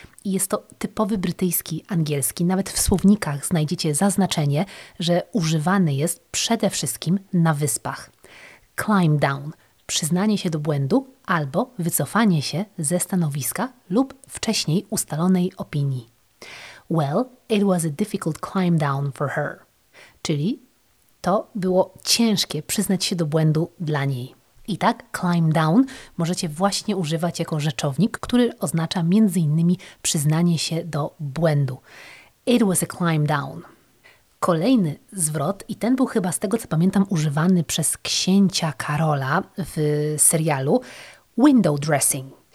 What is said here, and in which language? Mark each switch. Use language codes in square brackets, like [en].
[pl] Jest to typowy brytyjski angielski, nawet w słownikach znajdziecie zaznaczenie, że używany jest przede wszystkim na wyspach. Climb down, przyznanie się do błędu albo wycofanie się ze stanowiska lub wcześniej ustalonej opinii. [en] Well, it was a difficult climb down for her. [pl] Czyli to było ciężkie przyznać się do błędu dla niej. I tak climb down możecie właśnie używać jako rzeczownik, który oznacza m.in. przyznanie się do błędu. [en] It was a climb down. [pl] Kolejny zwrot, i ten był chyba z tego co pamiętam używany przez księcia Karola w serialu, window dressing.